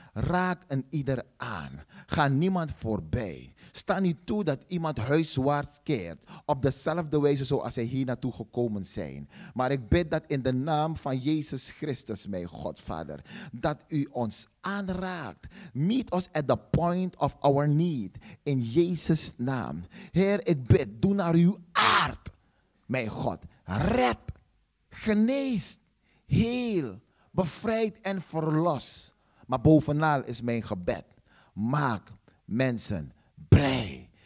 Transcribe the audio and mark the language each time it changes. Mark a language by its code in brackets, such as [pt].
[nl] Raak een ieder aan. Ga niemand voorbij. Sta niet toe dat iemand huiswaarts keert op dezelfde wijze zoals zij hier naartoe gekomen zijn. Maar ik bid dat in de naam van Jezus Christus, mijn God, Vader, dat u ons aanraakt. [en] Meet us at the point of our need. [nl] In Jezus' naam. Heer, ik bid, doe naar uw aard, mijn God. Rep, genees, heel, bevrijd en verlos. Maar bovenal is mijn gebed, maak mensen blij.